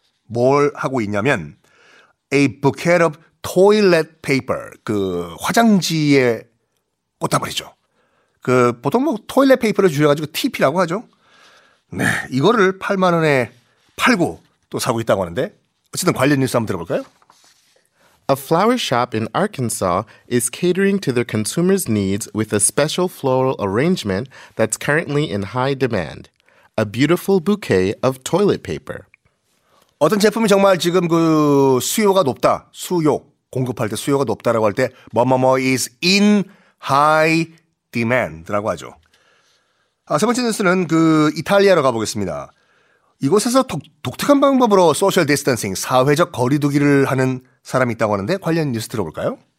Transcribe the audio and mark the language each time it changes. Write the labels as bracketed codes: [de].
[ko] 뭘 하고 있냐면 [en] a bouquet of toilet paper [ko] 그 화장지에 꽃다발이죠. 그 보통 뭐 toilet paper를 줄여가지고 TP라고 하죠. 네, 이거를 8만 원에 팔고 또 사고 있다고 하는데 어쨌든 관련 뉴스 한번 들어볼까요? [en] A flower shop in Arkansas is catering to their consumers' needs with a special floral arrangement that's currently in high demand. A beautiful bouquet of toilet paper. [ko] 어떤 제품이 정말 지금 그 수요가 높다. 수요. 공급할 때 수요가 높다라고 할 때 뭐뭐뭐 [en] is in high demand [ko] 라고 하죠. 아, 세 번째 뉴스는 그 이탈리아로 가보겠습니다. 이곳에서 독특한 방법으로 소셜 디스턴싱, 사회적 거리두기를 하는 사람이 있다고 하는데 관련 뉴스 들어볼까요?